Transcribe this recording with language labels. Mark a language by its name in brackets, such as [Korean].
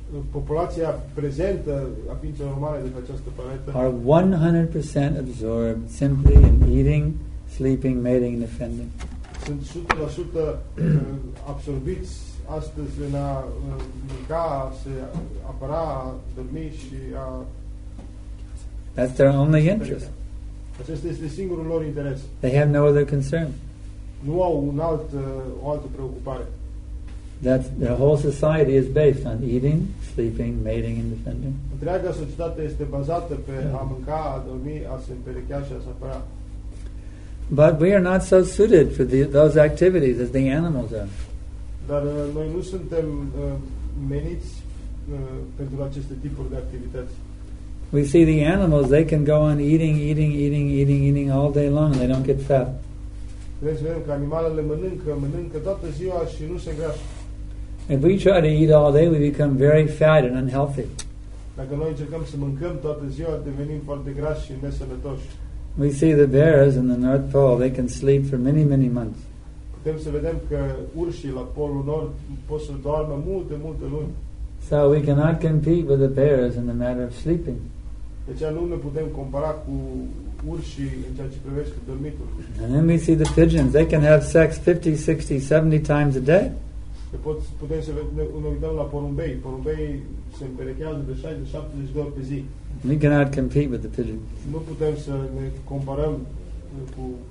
[Romanian] populația prezentă a ființelor umane de pe această planetă, [English] are 100% absorbed simply in eating, sleeping, mating, and defending. [Romanian] Sunt 100% absorbiți astăzi în a mânca, a se apăra, a dormi și a... [English] That's their only interest. [Romanian] Acesta este singurul lor interes. [English] They have no other concern. [Romanian] Nu au o altă preocupare. [English] That the whole society is based on eating, sleeping, mating, and defending. [Romanian] Întreaga societate este bazată pe a mânca, a dormi, a se împerechea și a se apăra. [English] But we are not so suited for those activities as the animals are. [Romanian] Dar noi nu suntem meniți pentru aceste tipuri de activități. [English] We see the animals, they can go on eating all day long, and they don't get fat. [Romanian] Vedem că animalele mănâncă toată ziua și nu se îngrașă. [English] If we try to eat all day, we become very fat and unhealthy. [Romanian] Dacă noi încercăm să mâncăm toată ziua, devenim foarte grași și nesănătoși. [English] We see the bears in the North Pole, they can sleep for many, many months. [Romanian] Putem să vedem că urșii la Polul Nord pot să doarmă multe, multe luni. [English] So we cannot compete with the bears in the matter of sleeping. [Romanian] Deci nu ne putem compara cu urșii în ceea ce privește dormitul. [English] And then we see the pigeons, they can have sex 50, 60, 70 times a day. [Romanian] Putem să ne uităm la porumbei. Porumbei se împerechează de 60-70 de ori pe zi. [English] We cannot compete with the pigeon. [Romanian] Nu putem să ne comparăm cu...